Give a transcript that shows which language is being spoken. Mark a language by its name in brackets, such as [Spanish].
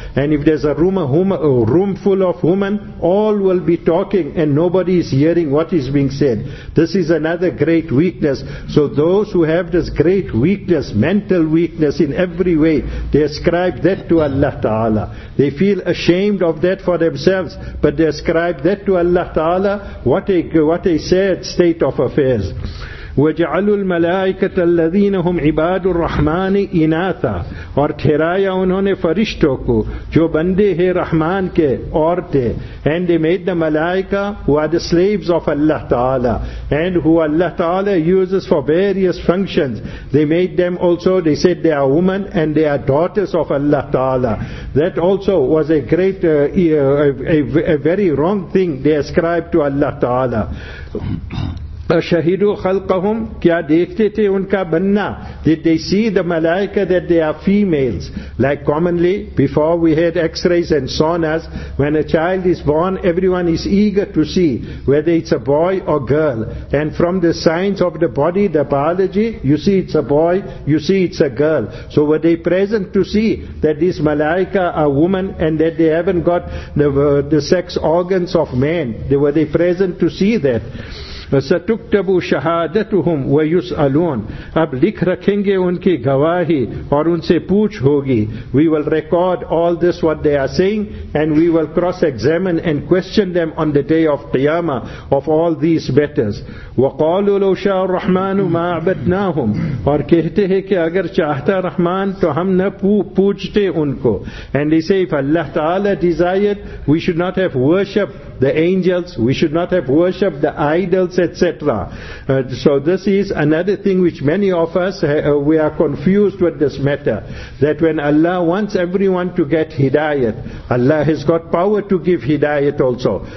[English] And if there's a room full of women, all will be talking and nobody is hearing what is being said. This is another great weakness. So those who have this great weakness, mental weakness in every way, they ascribe that to Allah Ta'ala. They feel ashamed of that for themselves, but they ascribe that to Allah Ta'ala. What a sad state of affairs. [Arabic] وَجَعَلُوا الْمَلَائِكَةَ الَّذِينَ هُمْ عِبَادُ الرَّحْمَانِ إِنَاثًا [Urdu] اور ٹھہرایا انہوں نے فرشتوں کو جو بندے ہیں رحمان کے عورتیں. [English] And they made the malaika who are the slaves of Allah Ta'ala and who Allah Ta'ala uses for various functions. They made them also, they said they are women and they are daughters of Allah Ta'ala. That also was a great, a very wrong thing they ascribed to Allah Ta'ala. [Arabic] أَشَهِدُوا خَلْقَهُمْ [Urdu] کیا دیکھتے تھے ان کا بننا. [English] Did they see the malaika that they are females? Like commonly, before we had x-rays and saunas, when a child is born, everyone is eager to see whether it's a boy or girl. And from the science of the body, the biology, you see it's a boy, you see it's a girl. So were they present to see that these malaika are women and that they haven't got the sex organs of men? Were they present to see that? [Arabic] ستكتب شهادتهم ويسألون [Urdu] اب لکھ رکھیں گے ان کی گواہی اور ان سے پوچھ ہوگی. [English] We will record all this what they are saying and we will cross examine and question them on the day of Qiyamah of all these matters. [Arabic] وقالوا لو شاء الرحمن ما عبدناهم [Urdu] اور کہتے ہیں کہ اگر چاہتا رحمان تو ہم نہ پوچھتے ان کو. [English] And they say if Allah Ta'ala desired we should not have worshipped the angels, we should not have worshipped the idols, etc. So this is another thing which many of us, we are confused with this matter. That when Allah wants everyone to get hidayat, Allah has got power to give hidayat also.